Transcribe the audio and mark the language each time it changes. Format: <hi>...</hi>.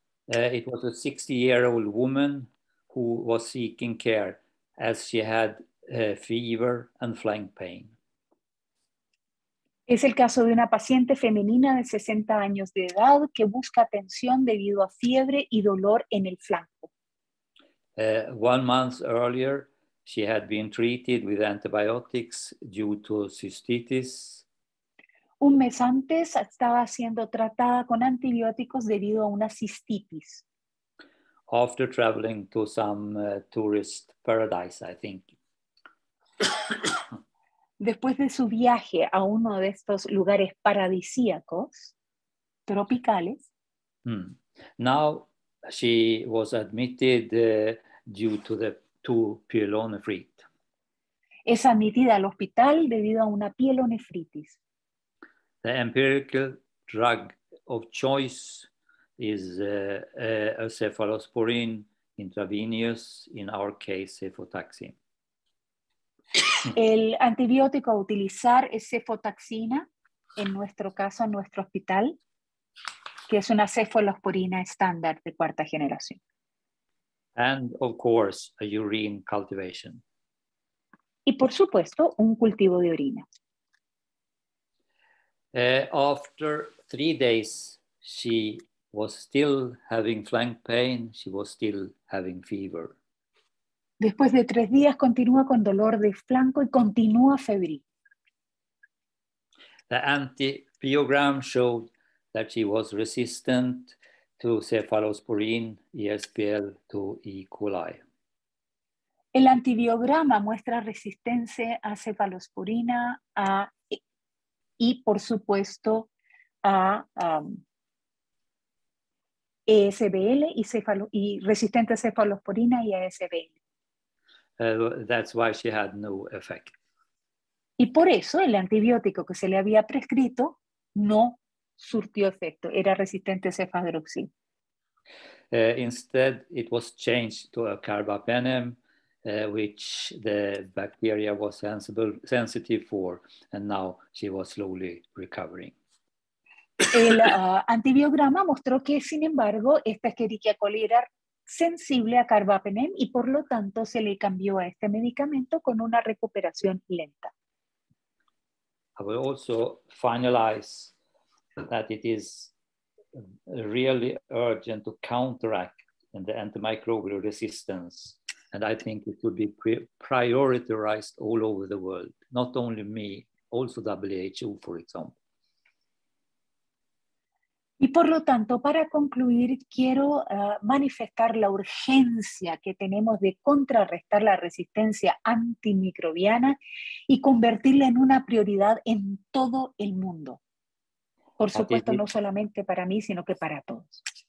<en>It was a 60-year-old woman who was seeking care as she had fever and flank pain.</en> <es>Es el caso de una paciente femenina de 60 años de edad que busca atención debido a fiebre y dolor en el flanco.</es> <en>1 month earlier, she had been treated with antibiotics due to cystitis.</en> <es>Un mes antes estaba siendo tratada con antibióticos debido a una cistitis.</es> <en>After traveling to some tourist paradise, I think.</en> <es>Después de su viaje a uno de estos lugares paradisíacos, tropicales. Hmm.</es> <en>Now she was admitted due to the pielonefrite.</en> <es>Es admitida al hospital debido a una pielonefritis.</es> <en>The empirical drug of choice is a cephalosporin intravenous, in our case, cefotaxime.</en> <es>El antibiótico a utilizar es cefotaxina, en nuestro caso, en nuestro hospital, que es una cefalosporina estándar de cuarta generación.</es> <en>And of course, a urine cultivation.</en> <es>Y por supuesto, un cultivo de orina.</es> <en>After 3 days, she was still having flank pain, she was still having fever.</en> <es>Después de 3 días, continúa con dolor de flanco y continúa febril.</es> <en>The antibiogram showed that she was resistant to cephalosporin, ESBL, to E. coli.</en> <es>El antibiograma muestra resistencia a cefalosporina y, por supuesto, a ESBL y resistente a cefalosporina y a ESBL.</es> <en>That's why she had no effect.</en> <es>Y por eso el antibiótico que se le había prescrito no surtió efecto, era resistente a cefadroxil.</es> <en>Instead, it was changed to a carbapenem, which the bacteria was sensitive for, and now she was slowly recovering.</en> <es>El antibiograma mostró que, sin embargo, esta Escherichia coli era sensible a carbapenem y por lo tanto se le cambió a este medicamento con una recuperación lenta.</es> <en>I will also finalize that it is really urgent to counteract the antimicrobial resistance, and I think it would be prioritized all over the world, not only me, also WHO, for example.</en> <es>Y por lo tanto, para concluir, quiero manifestar la urgencia que tenemos de contrarrestar la resistencia antimicrobiana y convertirla en una prioridad en todo el mundo. Por supuesto, no solamente para mí, sino que para todos.</es>